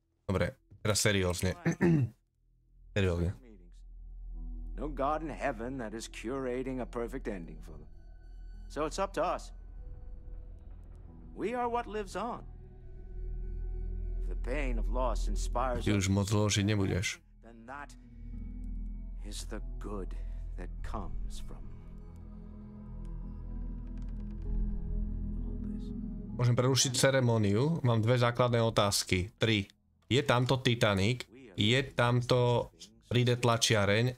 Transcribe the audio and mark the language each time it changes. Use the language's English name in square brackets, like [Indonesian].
[Slovak] Dobre, teraz seriózne. Seriózne. [English] No god in heaven that is curating a perfect ending for them. So it's up to us. We are what lives on. If the pain of loss inspires... [Slovak] Ty už moc zložiť nebudeš. [English] Then that is the good that comes from... [Slovak] Môžem prerušiť ceremóniu. Mám dve základné otázky. 3. Je tamto Titanic? Je tamto príde tlačiareň?